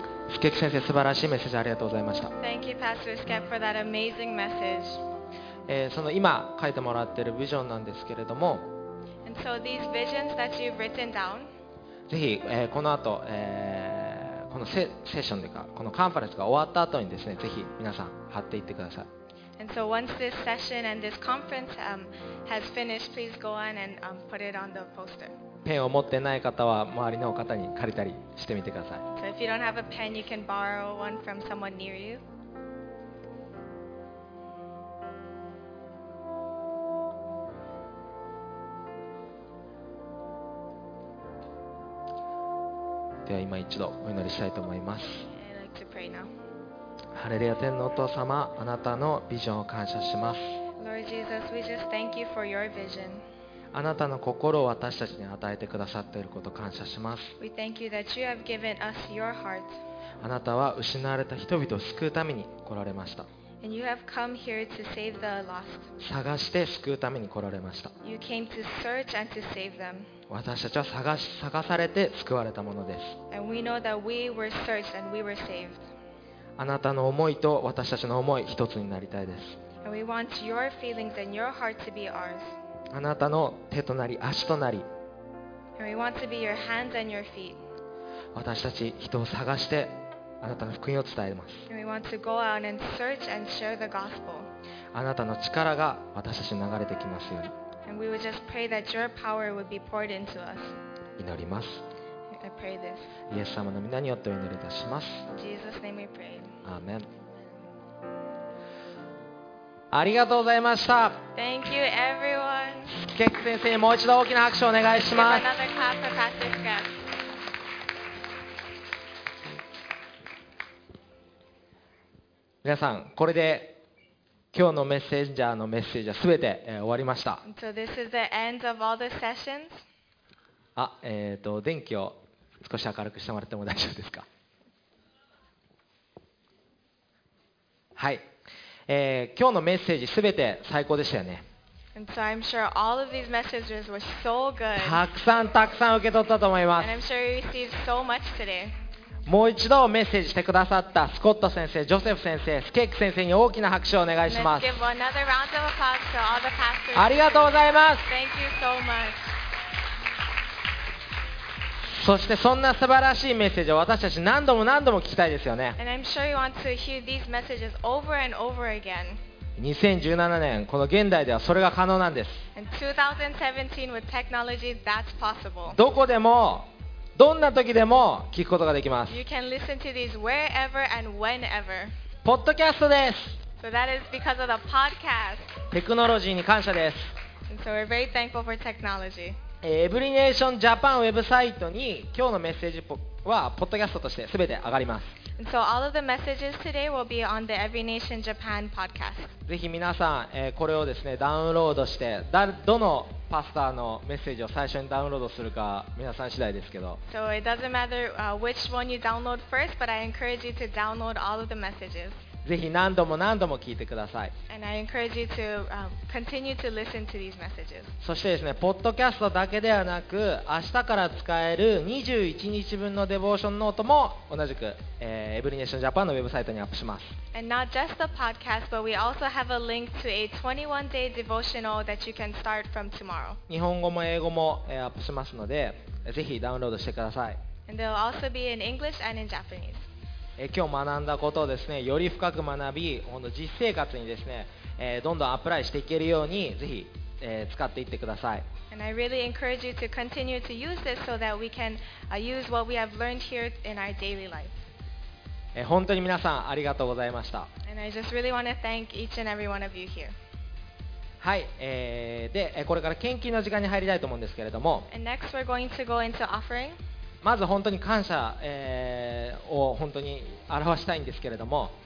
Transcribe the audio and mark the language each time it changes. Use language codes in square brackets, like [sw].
[ja] スケキ先生、素晴らしいメッセージありがとうございました。 [en] Thank you, Pastor Skep, for that amazing message. [ja] その今書いてもらっているビジョンなんですけれども、 [en] And so these visions that you've written down, [ja] ぜひ、この後、このセッションというか、このカンファレンスが終わった後にですね、ぜひ皆さん貼っていってください。 [en] And so once this session and this conference, has finished, please go on and, put it on the poster. [ja] ペンを持ってない方は周りの方に借りたりしてみてください。 [en] So if you don't have a pen, you can borrow one from someone near you. [ja] では今一度お祈りしたいと思います。 [en] I'd like to pray now. [ja] ハレルヤ天のお父様、あなたのビジョンを感謝します。 [en] Lord Jesus, we just thank you for your vision. [ja] あなたの心を私たちに与えてくださっていることを感謝します。 [en] We thank you that you have given us your heart. [ja] あなたは失われた人々を救うために来られました。 [en] And you have come here to save the lost. [ja] 探して救うために来られました。 [en] You came to search and to save them. [ja] 私たちは探されて救われたものです。 [en] And we know that we were searched and we were saved. [ja] あなたの思いと私たちの思い一つになりたいです。 [en] And we want your feelings and your heart to be ours. [ja] あなたの手となり足となり。 [en] And we want to be your hands and your feet. [ja] 私たち人を探してあなたの福音を伝えます。 [en] And we want to go out and search and share the gospel. [ja] あなたの力が私たちに流れてきますように。 [en] And we would just pray that your power would be poured into us. [ja] 祈ります。 [en] I pray this. [ja] イエス様の御名によってお祈りいたします。 [en] In Jesus' name we pray. Amen. [ja] ありがとうございました。 [en] Thank you everyone. [ja] スケク先生にもう一度大きな拍手をお願いします。 [en] Give another clap for Pastor Skep. [ja] みなさん、これで今日のメッセンジャーのメッセージはすべて、終わりました。 [en] So this is the end of all the sessions. [ja] 電気を少し明るくしてもらっても大丈夫ですか。はい、今日のメッセージすべて最高でしたよね。 [en] And so I'm sure all of these messages were so good. [ja] たくさんたくさん受け取ったと思います。 [en] And I'm sure you received so much today. [ja] もう一度メッセージしてくださったスコット先生、ジョセフ先生、スケック先生に大きな拍手をお願いします。 [en] Let's give another round of applause to all the pastors. [ja] ありがとうございます。 [en] Thank you so much. [ja] そしてそんな素晴らしいメッセージを私たち何度も何度も聞きたいですよね。 [en] And I'm sure you want to hear these messages over and over again. [ja] 2017年、この現代ではそれが可能なんです。 [en] And 2017 with technology, that's possible. [ja] どこでも、どんな時でも聞くことができます。 [en] You can listen to these wherever and whenever. [ja] ポッドキャストです。 [en] So that is because of the podcast. [ja] テクノロジーに感謝です。 [en] And so we're very thankful for technology. [ja] エブリネーションジャパンウェブサイトに今日のメッセージはポッドキャストとして全て上がります。 [en] So all of the messages today will be on the Every Nation Japan podcast. [ja] ぜひ皆さん、これをですね、ダウンロードして、どのパスターのメッセージを最初にダウンロードするか皆さん次第ですけど。 [en] So it doesn't matter, which one you download first, but I encourage you to download all of the messages. [ja] ぜひ何度も何度も聞いてください。 [en] And I encourage you to, continue to listen to these messages. [ja] そしてですね、ポッドキャストだけではなく、明日から使える21日分のデボーションノートも同じく、エブリネーションジャパンのウェブサイトにアップします。 [en] And not just the podcast, but we also have a link to a 21-day devotional that you can start from tomorrow. [ja] 日本語も英語も、アップしますので、ぜひダウンロードしてください。 [en] And there will also be in English and in Japanese. [ja] 今日学んだことをですね、より深く学び、本当実生活にですね、どんどんアプライしていけるようにぜひ、使っていってください。 [en] And I really encourage you to continue to use this so that we can use what we have learned here in our daily life. [ja] 本当に皆さんありがとうございました。 [en] And I just really want to thank each and every one of you here. [ja] はい、でこれから献金の時間に入りたいと思うんですけれども。 [en] And next we're going to go into offering. [ja] まず本当に感謝、を本当に表したいんですけれども、